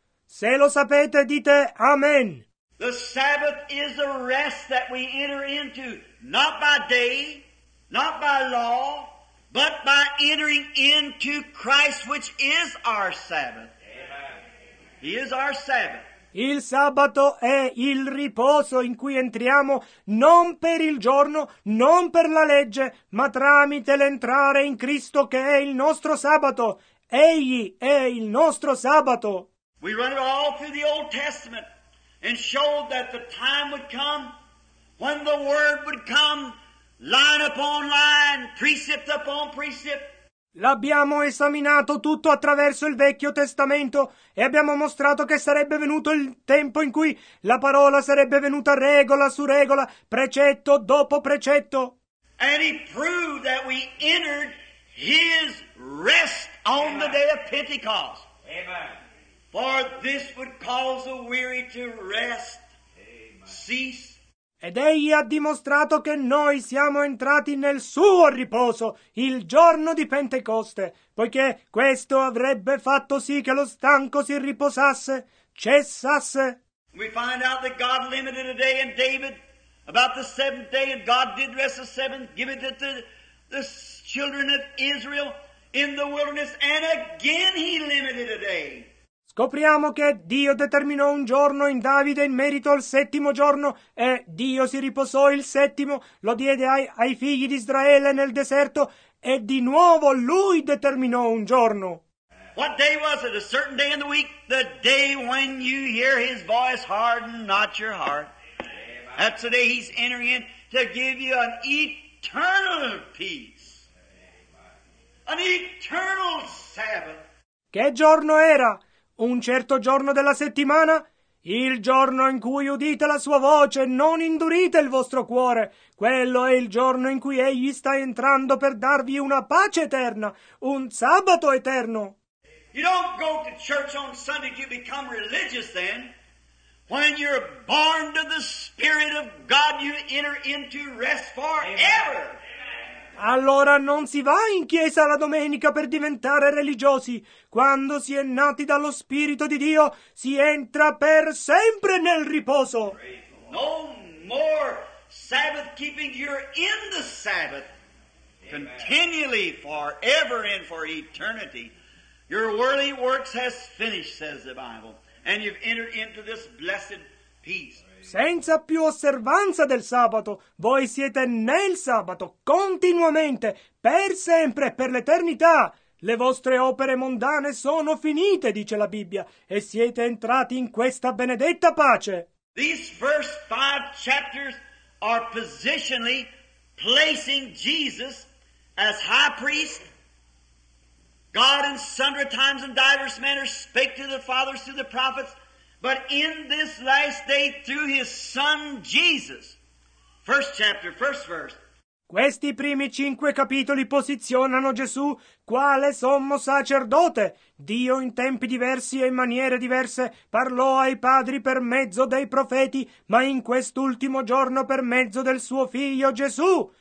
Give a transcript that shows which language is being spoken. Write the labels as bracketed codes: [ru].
[it] Se lo sapete, dite amen. [en] The Sabbath is a rest that we enter into, not by day, not by law, but by entering into Christ, which is our Sabbath. Amen. He is our Sabbath. [it] Il sabato è il riposo in cui entriamo non per il giorno, non per la legge, ma tramite l'entrare in Cristo che è il nostro sabato. Egli è il nostro sabato. [en] We run it all through the Old Testament and showed that the time would come when the word would come line upon line, precept upon precept. [it] L'abbiamo esaminato tutto attraverso il Vecchio Testamento e abbiamo mostrato che sarebbe venuto il tempo in cui la parola sarebbe venuta regola su regola, precetto dopo precetto. [en] And he proved that we entered his rest on the day of Pentecost. Amen. For this would cause the weary to rest. Amen. Cease. [it] Ed egli ha dimostrato che noi siamo entrati nel suo riposo il giorno di Pentecoste, poiché questo avrebbe fatto sì che lo stanco si riposasse, cessasse. [en] We find out that God limited a day in David about the seventh day, and God did rest the seventh, give it to the children of Israel in the wilderness, and again he limited a day. [it] Scopriamo che Dio determinò un giorno in Davide in merito al settimo giorno e Dio si riposò il settimo, lo diede ai figli di Israele nel deserto e di nuovo lui determinò un giorno. [en] What day was it? A certain day in the week? The day when you hear his voice, harden not your heart. That's the day he's entering in to give you an eternal peace. An eternal Sabbath. [it] Che giorno era? Un certo giorno della settimana, il giorno in cui udite la sua voce, non indurite il vostro cuore. Quello è il giorno in cui egli sta entrando per darvi una pace eterna, un sabato eterno. [en] You don't go to church on Sunday to become religious then. When you're born to the Spirit of God, you enter into rest forever. Amen. [it] Allora non si va in chiesa la domenica per diventare religiosi. Quando si è nati dallo Spirito di Dio, si entra per sempre nel riposo. [en] No more Sabbath keeping, you're in the Sabbath. Amen. Continually, forever and for eternity. Your worldly works has finished, says the Bible. And you've entered into this blessed peace. [it] Senza più osservanza del sabato, voi siete nel sabato, continuamente, per sempre, per l'eternità. Le vostre opere mondane sono finite, dice la Bibbia, e siete entrati in questa benedetta pace. [en] These first five chapters are positionally placing Jesus as high priest. God in sundry times and diverse manners spake to the fathers through the prophets. But in this last day through his son Jesus. First chapter, first verse. [it] Questi primi cinque capitoli posizionano Gesù quale sommo sacerdote. Dio in tempi diversi e in maniere diverse parlò ai padri per mezzo dei profeti, ma in quest'ultimo giorno per mezzo del suo figlio Gesù.